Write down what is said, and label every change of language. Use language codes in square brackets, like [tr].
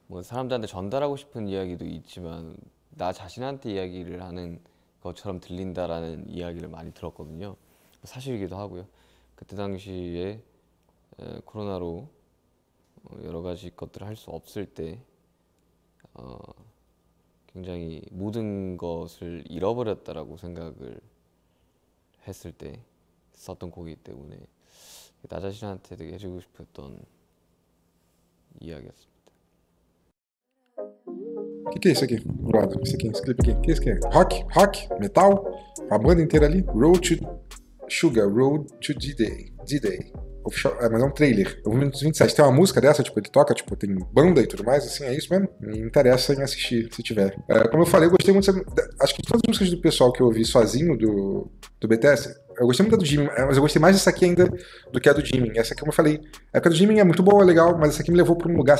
[pt] Bom, se você não tiver que falar com o Chipun, [ko] 나 자신한테 이야기를 하는 것처럼 들린다라는 이야기를 많이 들었거든요. 사실이기도 하고요. 그때 당시에 코로나로 여러 가지 것들을 할 수 없을 때 굉장히 모든 것을 잃어버렸다라고 생각을 했을 때 썼던 곡이기 때문에 나 자신한테 되게 해주고 싶었던 이야기였습니다. [pt] Que é isso aqui? Brother, esse aqui, esse clipe aqui. Que é isso aqui? Rock? Rock? Metal? A banda inteira ali? Road to Sugar, Road to D-Day. D-Day. É, mas é um trailer. É o 27. Tem uma música dessa, tipo, ele toca, tipo, tem banda e tudo mais, assim, é isso mesmo? Me interessa em assistir, se tiver. É, como eu falei, eu gostei muito. Acho que de todas as músicas do pessoal que eu ouvi sozinho do BTS, eu gostei muito da do Jimin, mas eu gostei mais dessa aqui ainda do que a do Jimin. Essa aqui, como eu falei, a época do Jimin é muito boa, é legal, mas essa aqui me levou pra um lugar.